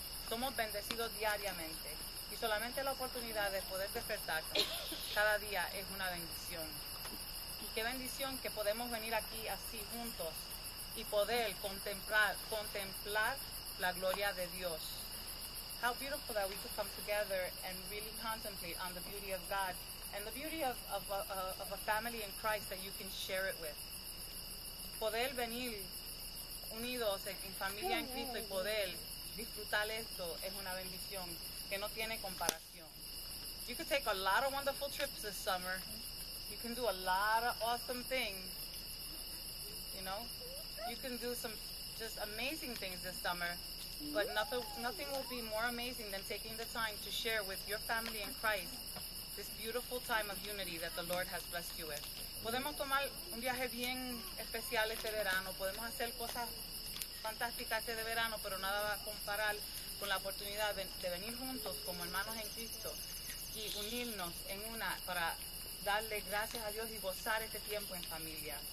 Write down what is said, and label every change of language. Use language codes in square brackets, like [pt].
[es] Somos bendecidos diariamente y solamente la oportunidad de poder despertar cada día es una bendición. Y qué bendición que podemos venir aquí así juntos y poder contemplar la gloria de Dios. [en] How beautiful that we could come together and really contemplate on the beauty of God and the beauty of a family in Christ that you can share it with. [es] Poder venir unidos en familia en Cristo y poder disfrutar esto es una bendición que no tiene comparación. [en] You could take a lot of wonderful trips this summer. You can do a lot of awesome things. You know? You can do some just amazing things this summer. But nothing will be more amazing than taking the time to share with your family in Christ this beautiful time of unity that the Lord has blessed you with. [es] Podemos tomar un viaje bien especial este verano. Podemos hacer cosas fantásticas este verano, pero nada va a comparar con la oportunidad de venir juntos como hermanos en Cristo y unirnos en una para darle gracias a Dios y gozar este tiempo en familia.